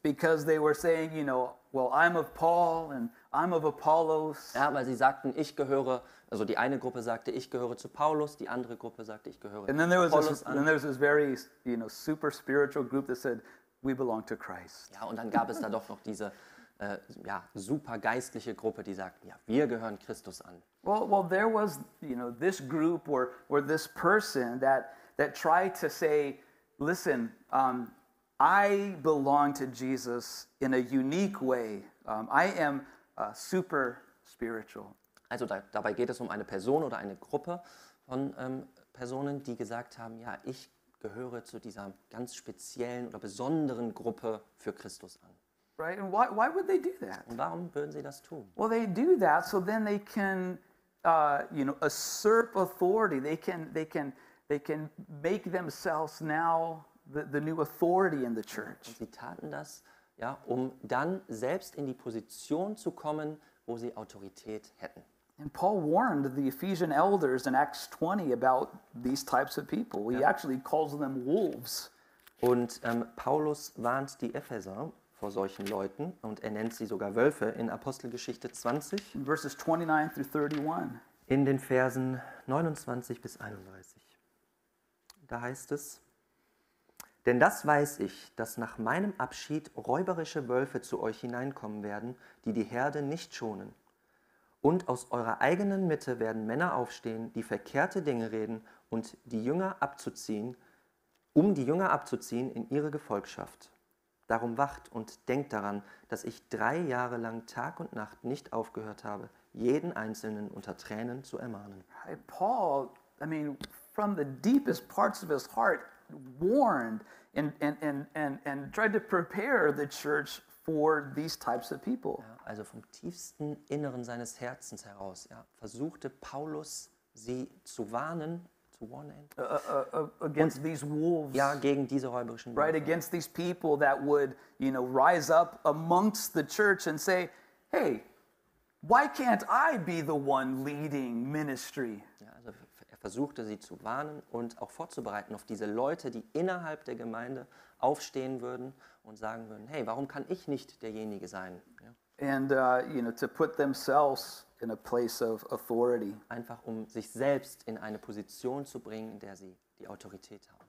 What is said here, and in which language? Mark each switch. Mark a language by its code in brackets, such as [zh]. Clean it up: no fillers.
[en] Because they were saying, I'm of Paul and I'm of Apollos. [de] Ja, weil sie sagten, ich gehöre, also die eine Gruppe sagte, ich gehöre zu Paulus, die andere Gruppe sagte, ich gehöre [en] and then there was Apollos. And then there was this very, super spiritual group that said, we belong to Christ. [de] Ja, und dann gab es da doch noch diese super geistliche Gruppe, die sagten, ja, wir gehören Christus an. [en] Well, there was, this group or this person that tried to say, listen, I belong to Jesus in a unique way. I am super spiritual. [de] Also dabei geht es um eine Person oder eine Gruppe von Personen, die gesagt haben, ja, ich gehöre zu dieser ganz speziellen oder besonderen Gruppe für Christus an. [en] Right, and why would they do that? [de] Und warum würden sie das tun? [en] Well, they do that so then they can you know, usurp authority. They can make themselves now the new authority in the church. [de] Und sie taten das, ja, um dann selbst in die Position zu kommen, wo sie Autorität hätten. [en] And Paul warned the Ephesian elders in Acts 20 about these types of people. Ja. He actually calls them wolves. [de] Und Paulus warnt die Epheser vor solchen Leuten und er nennt sie sogar Wölfe in Apostelgeschichte 20. [en] In verses 29 through 31. [de] In den Versen 29 bis 31. Da heißt es: Denn das weiß ich, dass nach meinem Abschied räuberische Wölfe zu euch hineinkommen werden, die die Herde nicht schonen. Und aus eurer eigenen Mitte werden Männer aufstehen, die verkehrte Dinge reden und die Jünger abzuziehen, um die Jünger abzuziehen in ihre Gefolgschaft. Darum wacht und denkt daran, dass ich 3 Jahre lang Tag und Nacht nicht aufgehört habe, jeden Einzelnen unter Tränen zu ermahnen. [en] Hey, Paul, I mean, from the deepest parts of his heart, warned and tried to prepare the church for these types of people. [de] Ja, also vom tiefsten Inneren seines Herzens heraus, ja, versuchte Paulus sie zu warnen, zu warnen. [en] Against these wolves. [de] Ja, gegen diese räuberischen Wölfe. [en] Right, against these people that would, you know, rise up amongst the church and say, hey, why can't I be the one leading ministry? [de] Ja, also er versuchte sie zu warnen und auch vorzubereiten auf diese Leute, die innerhalb der Gemeinde aufstehen würden und sagen würden, hey, warum kann ich nicht derjenige sein? Ja. [en] And you know, to put themselves in a place of authority. [de] Einfach um sich selbst in eine Position zu bringen, in der sie die Autorität haben.